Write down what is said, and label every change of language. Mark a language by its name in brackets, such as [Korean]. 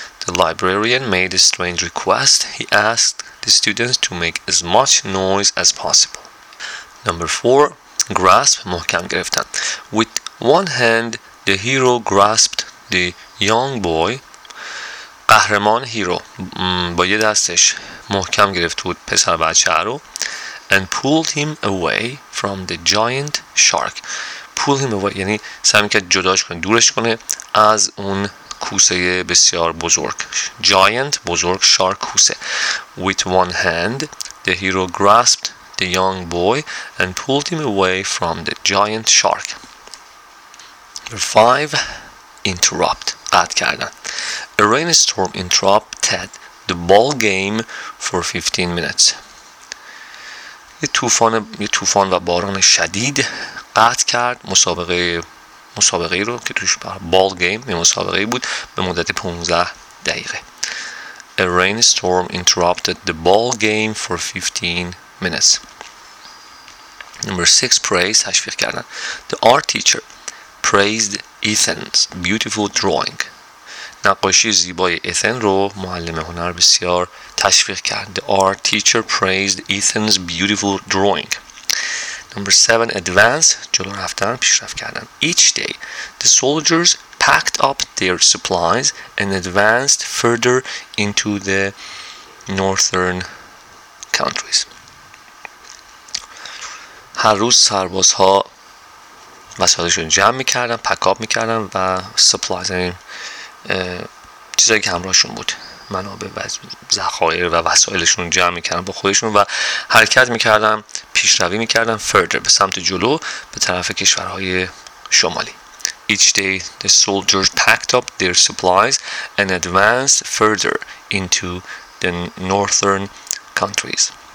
[English] The librarian made a strange request. He asked the students to make as much noise as possible. Number 4, grasp، [Persian] محکم گرفتن. [English] With one hand the hero grasped the young boy، [Persian] قهرمان هیرو با یه دستش محکم گرفت بود پسر بچه رو. [English] And pulled him away from the giant shark. Pull him away [Persian] یعنی سعی میکرد جداش کنه، دورش کنه از اون کوسه بسیار بزرگ. [English] Giant، بزرگ. Shark، کوسه. With one hand the hero grasped the young boy and pulled him away from the giant shark. 5. Interrupt، [Persian] قطع کردن. [English] A rainstorm interrupted the ball game for 15 minutes. [Persian] یه طوفان و باران شدید قطع کرد مسابقه رو که توش ball game، یه مسابقه بود، به مدت 15 دقیقه. [English] A rainstorm interrupted the ball game for 15 minutes. Number 6, praise، [Persian] تشویق کردن. [English] The art teacher praised Ethan's beautiful drawing. [Persian] نقاشی زیبای ایثن رو معلم هنر بسیار تشویق کرد. [English] The art teacher praised Ethan's beautiful drawing. Number 7, advance، [Persian] جلو رفتن، پیشرفت کردن. [English] Each day the soldiers packed up their supplies and advanced further into the northern countries. [Persian] هر روز سربازها وسایلشون جمع میکردن، پک آب میکردن و سپلایز، چیزایی که همراهشون بود، منابع و ذخایر و وسایلشون جمع میکردن با خودشون و حرکت میکردن، پیشروی میکردن further، به سمت جلو، به طرف کشورهای شمالی. [English] Each day the soldiers packed up their supplies and advanced further into the northern countries.